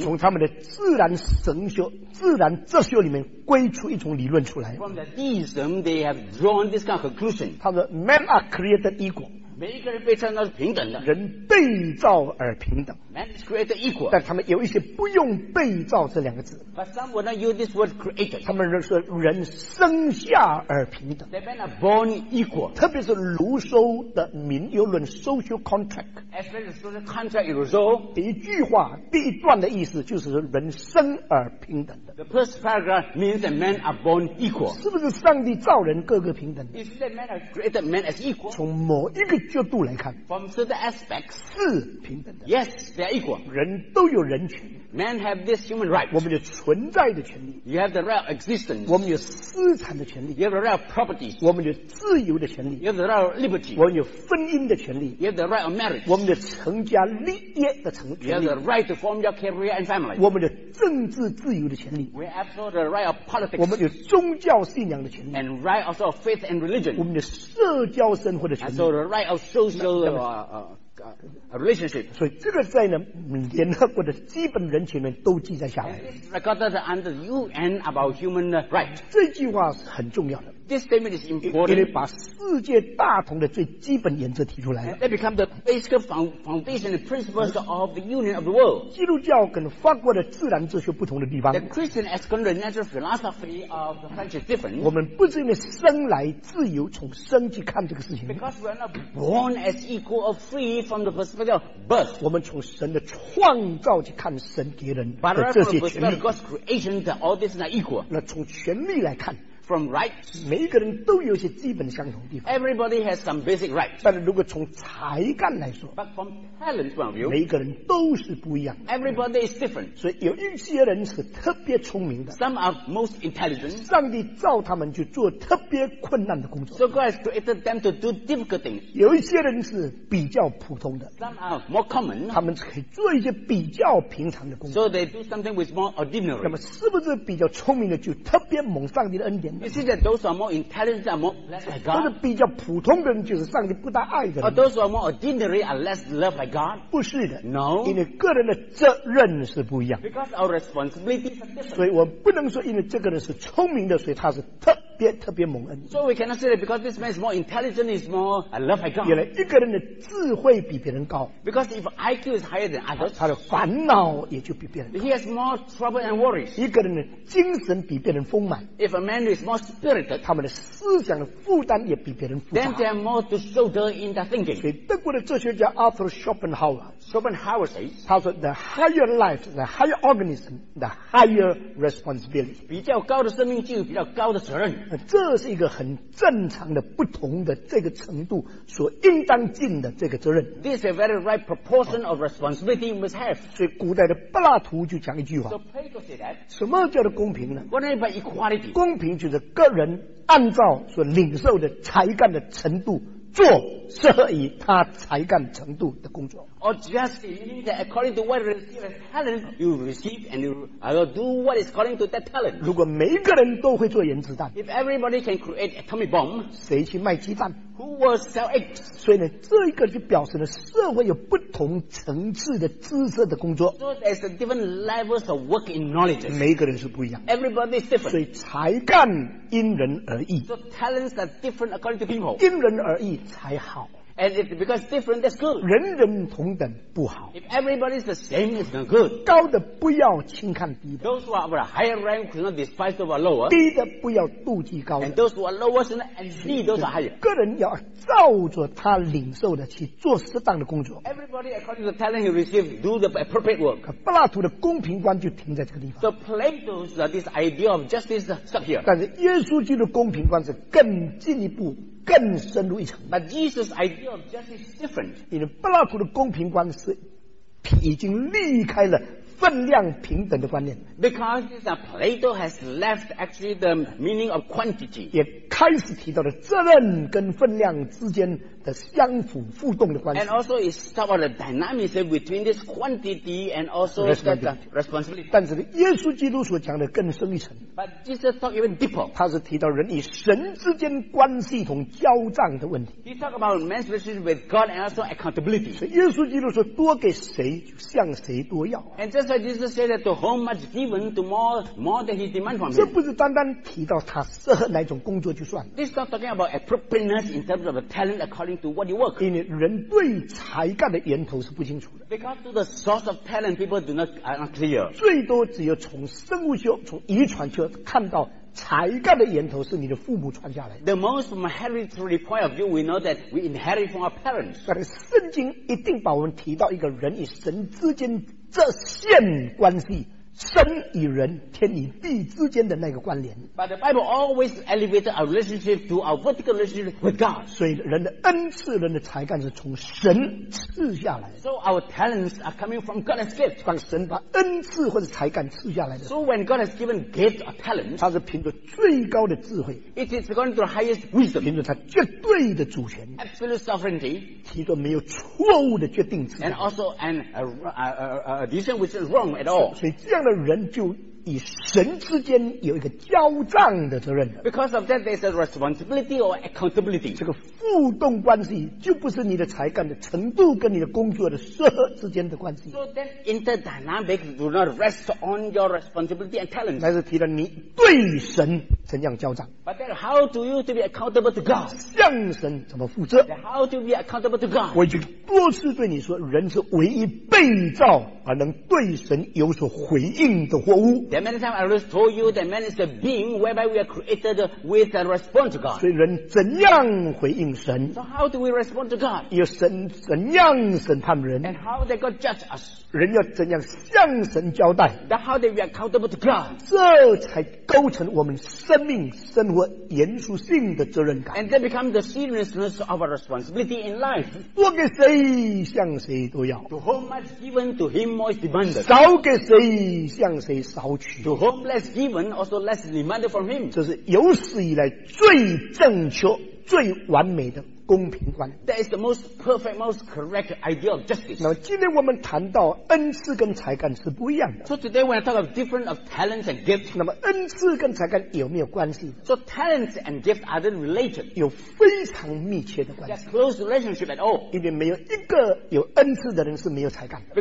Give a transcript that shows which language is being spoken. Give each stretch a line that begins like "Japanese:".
Chinese: 从他们的自然神学自然哲学里面归出一种理论出来。
English: From the deism, they have drawn this kind of conclusion.
Chinese: 他说
English: Men are created equal.
Chinese: 每一个人被创造是平等的，人被造而平等。
English: Man is created equal，
Chinese: 但他们有一些不用“被造”这两个字。
English: But some would not use this word created。
Chinese: 他们说人生下而平等。
English: They men are born equal。
Chinese: 特别是卢梭的民有论 （social contract）。
English: Especially social contract in Rousseau。
Chinese: 第一句话、第一段的意思就是人生而平等的。
English: The first paragraph means that men are born equal。
Chinese: 是不是上帝造人各个平等的
English: ？Is that men are created men as equal？
Chinese: 从某一个角度来看
English: ，from certain aspects
Chinese: 是平等的。
English: Yes, they are equal.
Chinese: 人都有人权。
English: Men have this human right.
Chinese: 我们有存在的权利。
English: You have the right of existence.
Chinese: 我们有私产的权利。
English: You have the right of property.
Chinese: 我们有自由的权利。
English: You have the right of liberty.
Chinese: 我们有婚姻的权利。
English: You have the right of marriage.
Chinese: 我们有成家立业的权利。
English: You have the right to form your career and family.
Chinese: 我们有政治自由的权利。
English: We have also the right of politics.
Chinese: 我们有宗教信仰的权利。
English: And right also of faith and religion.
Chinese: 我们有社交生活的权利。
English: And so the right of social relationship.
Chinese: 所以这个在呢联合国的基本人权里面都记载下来。
English: Recorded under the UN about human rights.
Chinese: 这句话是很重要的。
English: This statement is important.
Chinese: 因为把世界大同的最基本原则提出来了。
English: That become the basic foundation and principles of the union of the world.
Chinese: 基督教跟法国的自然哲学不同的地方。
English: The Christian as the natural philosophy of the French is different.
Chinese: 我们不是因为生来自由从生去看这个事情。
English: Because we are not born as equal or free from the perspective of birth.
Chinese: 我们从神的创造去看神给人的这些权利。
English: But God's creation that all this is not equal.
Chinese: 那从权利来看
English: From rights,
Chinese: 每一个人都有一些基本相同的地方。
English: Everybody has some basic rights.
Chinese: 但是如果从才干来说
English: ，But from talent point of view,
Chinese: 每一个人都是不一样。
English: Everybody is different.
Chinese: 所以有一些人是特别聪明的。
English: Some are most intelligent.
Chinese: 上帝造他们去做特别困难的工作。
English: So God has created them to do difficult things.
Chinese: 有一些人是比较普通的。
English: Some are more common.
Chinese: 他们可以做一些比较平常的工作。
English: So they do something with more ordinary.
Chinese: 那么是不是比较聪明的就特别蒙上帝的恩典？
English: You see that those who are more intelligent are more blessed by God.
Chinese: 都是比较普通的人，就是上帝不大爱的人。
English: Or those who are more ordinary are less loved by God.
Chinese: 不是的
English: ，No.
Chinese: 因为个人的责任是不一样。
English: Because our responsibility is different.
Chinese: 所以我不能说因为这个人是聪明的，所以他是特别蒙恩。
English: So we cannot say that because this man is more intelligent, he's more loved by God.
Chinese: 原来一个人的智慧比别人高。
English: Because if IQ is higher than others,
Chinese: 他的烦恼也就比别人高。
English: He has more trouble and worries.
Chinese: 一个人的精神比别人丰满。
English: If a man is more spirited,
Chinese: 他们的思想的负担也比别人复杂。
English: Then they are more to shoulder in their thinking.
Chinese: 所以德国的哲学家 Arthur Schopenhauer,
English: Schopenhauer says,
Chinese: 他说
English: the higher life, the higher organism, the higher responsibility.
Chinese: 比较高的生命就有比较高的责任。这是一个很正常的不同的这个程度所应当尽的这个责任。
English: This is a very right proportion of responsibility you must have.
Chinese: 所以古代的柏拉图就讲一句话。
English: So Plato said that.
Chinese: 什么叫做公平呢
English: ？What about equality?
Chinese: 公平就是个人按照所领受的才干的程度。做适合于他才干程度的工作。
English: Or just that according to what you receive as talent, you receive and you do what is according to that talent.
Chinese: 如果每一个人都会做原子弹
English: ，If everybody can create atomic bomb,
Chinese: 谁去卖鸡蛋
English: ？Who will sell eggs?
Chinese: 所以呢，这一个就表示了社会有不同层次的知识的工作。
English: So there's different levels of work in knowledge.
Chinese: 每一个人是不一样
English: ，Everybody is different.
Chinese: 所以才干因人而异
English: ，So talents are different according to people.
Chinese: 因人而异。才好
English: and it's because different, that's good.
Chinese: 人人同等不好
English: if everybody's the same, it's not good.
Chinese: 高的不要轻看低的
English: those who are higher rank should not despise those who are lower.
Chinese: 低的不要妒忌高的
English: and those who are lower should not envy those who are higher.
Chinese: 个人要照着他领受的去做适当的工作
English: everybody according to the talent he received do the appropriate work.
Chinese: 可柏拉图的公平观就停在这个地方
English: so Plato's this idea of justice stuck here.
Chinese: 但是耶稣基督的公平观是更进一步更深入一层
English: But Jesus' idea of justice is different
Chinese: 因为柏拉图的公平观是已经离开了分量平等的观念
English: Because Plato has left actually the meaning of quantity
Chinese: 也开始提到了责任跟分量之间的相辅互动的关系
English: And also it's about the dynamics between this quantity and also responsibility
Chinese: 但是耶稣基督所讲的更深一层
English: But Jesus talked even deeper
Chinese: 他是提到人与神之间关系统交账的问题
English: He talked about man's relationship with God and also accountability
Chinese: 所以耶稣基督说多给谁就向谁多要
English: And just like Jesus said that to whom much given to more than he demand from him
Chinese: 这不是单单提到他适合哪种工作就算
English: This is not talking about appropriateness in terms of a talent accordingTo what you work.
Chinese: 因为人对才干的源头是不清楚的。
English: Because to the source of talent, people do not are clear.
Chinese: 最多只有从生物学、从遗传学看到才干的源头是你的父母传下来的。
English: The most from a hereditary point of view, we know that we inherit from our parents.
Chinese: 但是圣经一定把我们提到一个人与神之间这线关系。神与人天与地之间的那个关联
English: But the Bible always elevated our relationship to our vertical relationship with God
Chinese: 所以人的恩赐人的才干是从神赐下来的
English: So our talents are coming from God's gift
Chinese: 当神把恩赐或者才干赐下来的
English: So when God has given gifts or talents
Chinese: 他是凭着最高的智慧
English: It is according to the highest wisdom
Chinese: 凭着他绝对的主权
English: Absolute sovereignty
Chinese: 提着没有错误的决定之
English: And also an a decision which is wrong at all
Chinese: 所以这样的人就与神之间有一个交账的责任。
English: Because of that, there is a responsibility or accountability.
Chinese: 这个互动关系就不是你的才干的程度跟你的工作的适合之间的关系。
English: So that interdynamics do not rest on your responsibility and talent.
Chinese: 乃是提到你对神怎样交账。
English: But then, how do you to be accountable to God?
Chinese: 向神怎么负责
English: ？How to be accountable to God?
Chinese: 我已经多次对你说，人是唯一被造而能对神有所回应的活物。
English: That many times I already told you that man is a being whereby we are created with a response to God.
Chinese: 所以人怎样回应神
English: ？So how do we respond to God?
Chinese: 要神怎样审判人
English: ？And how does God judge us?
Chinese: 人要怎样向神交代
English: ？That how do we accountable to God?
Chinese: 这才构成我们生命生活严肃性的责任感。
English: And that becomes the seriousness of our responsibility in life.
Chinese: 多给谁，向谁都要。
English: To whom much given, to him more is demanded.
Chinese: 少给谁，向谁少。
English: To whom less given, also less demanded from him.
Chinese: 这是有史以来最正确、最完美的公平观。
English: That is the most perfect, most correct idea of justice.
Chinese: 那么今天我们谈到恩赐跟才干是不一样的。
English: So today when I talk of different of talents and gifts.
Chinese: 那么恩赐跟才干有没有关系
English: ？So talents and gifts are they related?
Chinese: 有非常密切的关系。
English: They're close relationship at all.
Chinese: 因为没有一个有恩赐的人是没有才干的。